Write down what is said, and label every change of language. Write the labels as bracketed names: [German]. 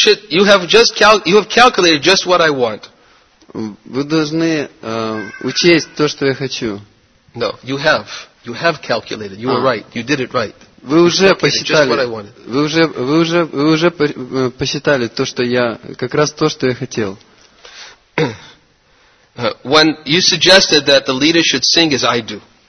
[English] You have calculated just what I want. [Russian] Вы должны учесть то, что я хочу. [English] No, you have. You have calculated. You were right. You did it right. [Russian] Вы уже посчитали. Вы уже посчитали то, что я как раз то, что я хотел. [English] When you suggested that the leader should sing as I do.